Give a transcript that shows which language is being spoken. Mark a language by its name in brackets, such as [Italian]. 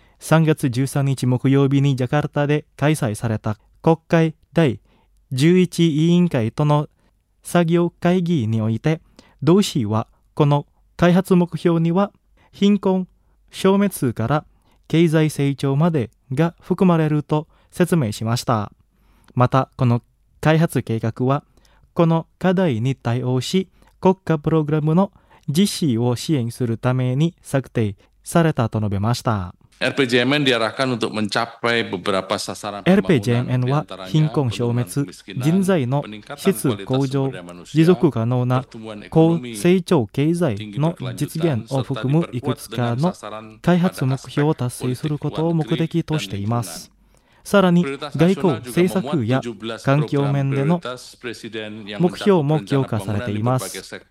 [Japanese] 3月13日木曜日にジャカルタで開催された国会第11委員会との作業会議において、同氏はこの開発目標には貧困消滅から経済成長までが含まれると説明しました。またこの開発計画はこの課題に対応し、国家プログラムの実施を支援するために策定されたと述べました。 [Indonesian] RPJMN diarahkan untuk mencapai beberapa sasaran. [Japanese] RPJMN は貧困消滅、人材の質向上、持続可能な高成長経済の実現を含むいくつかの開発目標を達成することを目的としています。さらに外交政策や環境面での目標も強化されています。